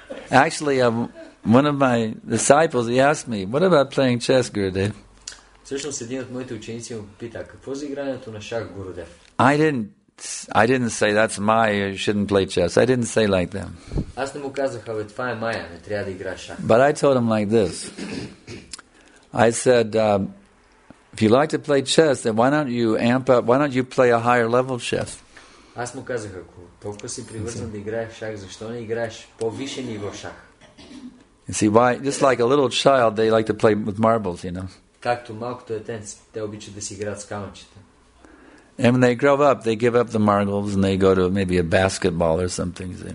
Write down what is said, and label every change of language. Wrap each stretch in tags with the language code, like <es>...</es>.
<en>Actually, one of my disciples, he asked me, what about playing chess, Gurudev?</en> <bg>Всъщност един от моите ученици ме пита, какво за игрането на шах, Гурудев?</bg> <en>I didn't say that's Maya, you shouldn't play chess. I didn't say like them.</en> <bg>Аз не му казах, абе, това е Maya, не трябва да играш шах.</bg> <en>But I told him like this. I said, if you like to play chess, then why don't you play a higher level chess?</en> <bg>Аз му казах, ако толкова си привързан да играеш шах, защо не играеш по-висше ниво шах?</bg> <en>You see, why, just like a little child, they like to play with marbles, you know.</en> <bg>Както малкото детенце, те обичат да си играят с камъчета.</bg> <en>And when they grow up, they give up the marbles and they go to maybe a basketball or something.</en>